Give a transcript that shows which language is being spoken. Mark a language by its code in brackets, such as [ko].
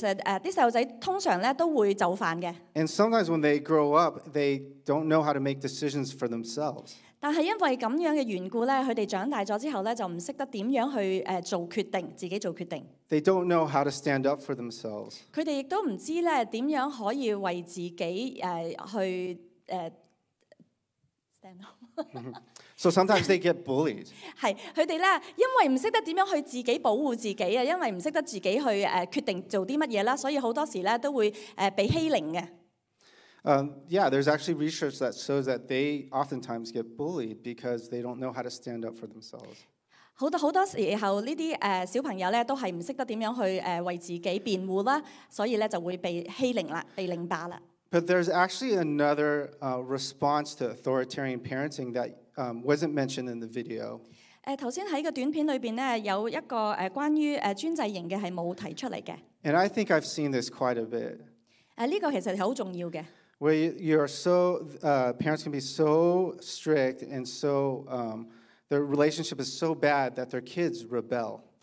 [zh] Okay. 在這個很專制的方式教育裡面,其實小孩子通常都會就範的。 [en] And sometimes when they grow up, they don't know how to make decisions for themselves. [zh] 但是因為這樣的緣故,他們長大了之後就不懂得怎樣去做決定,自己做決定。 [en] They don't know how to stand up for themselves. [zh] 他們也不知道怎樣可以為自己去 [en] stand up. So sometimes they get bullied. [zh] 是,他們因為不懂得怎樣去自己保護自己,因為不懂得自己去決定做些什麼,所以很多時候都會被欺凌的。 [en] Yeah, there's actually research that shows that they oftentimes get bullied because they don't know how to stand up for themselves. [zh] 很多时候这些小朋友都是不懂得怎样去为自己辩护，所以就会被欺凌了，被凌霸了。 [en] But there's actually another response to authoritarian parenting that wasn't mentioned in the video. [zh] 刚才在这个短片里面有一个关于专制型的是没有提出来的。 [en] And I think I've seen this quite a bit. [zh] 这个其实是很重要的。 [en] Where you are so, parents can be so strict and so, their relationship is so bad that their kids rebel.